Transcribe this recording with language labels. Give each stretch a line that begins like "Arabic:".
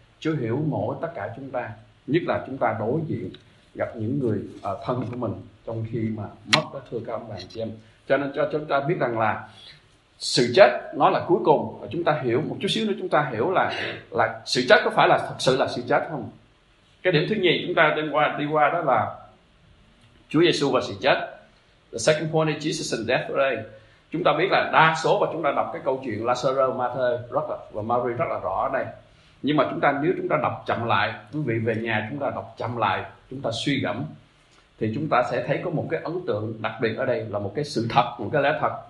Vietnamese: Chúa hiểu mỗi tất cả chúng ta, nhất là chúng ta đối diện gặp những người thân của mình trong khi mà mất đó. Thưa các ông bà anh chị em, cho nên cho chúng ta biết rằng là sự chết nó là cuối cùng, và chúng ta hiểu một chút xíu nữa, chúng ta hiểu là sự chết có phải là thật sự là sự chết không. Cái điểm thứ nhì chúng ta đi qua đó là Chúa Giêsu và sự chết.
English: The second point is Jesus and death today.
Vietnamese: Chúng ta biết là đa số, và chúng ta đọc cái câu chuyện Lazarus, Ma-thê rất là, và Mary rất là rõ ở đây. Nhưng mà chúng ta, nếu chúng ta đọc chậm lại, quý vị về nhà chúng ta đọc chậm lại, chúng ta suy gẫm, thì chúng ta sẽ thấy có một cái ấn tượng đặc biệt ở đây, là một cái sự thật, một cái lẽ thật.